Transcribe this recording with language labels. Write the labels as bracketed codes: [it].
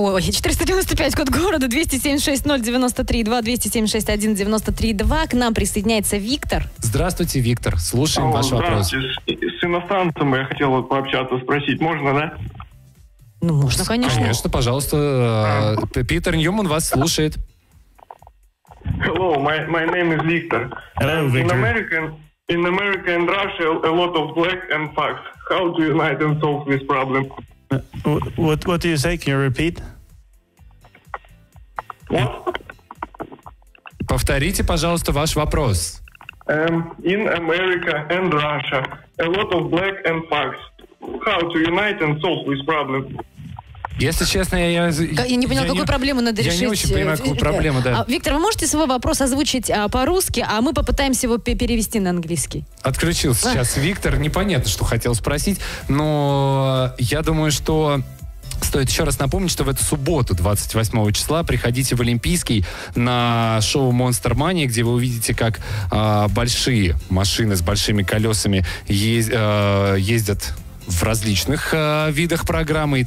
[ru] 495, код города, 276-093-2, 276-1-93-2. К нам присоединяется Виктор. Здравствуйте, Виктор. Слушаем ваш вопрос. С иностранцем я хотел пообщаться, спросить, можно, да? Ну, можно, конечно. Конечно, пожалуйста. Питер Ньюман вас слушает. [en] Hello, my name is Victor. Hello, Victor. In America and Russia, a lot of black and fucks. How do you unite and solve this problem? What do you say? Can you repeat? What? [ru] Повторите, пожалуйста, ваш вопрос. In America and Russia, a lot of black and fucks. How to unite and solve this problem? Если честно, я не понял, какую проблему надо решить. Я не очень понимаю, какую проблему, да. Виктор, вы можете свой вопрос озвучить по-русски, а мы попытаемся его перевести на английский. Отключился сейчас Виктор, непонятно, что хотел спросить, но я думаю, что стоит еще раз напомнить, что в эту субботу, 28 числа, приходите в Олимпийский на шоу Monster Mania, где вы увидите, как большие машины с большими колесами ездят в различных видах программы.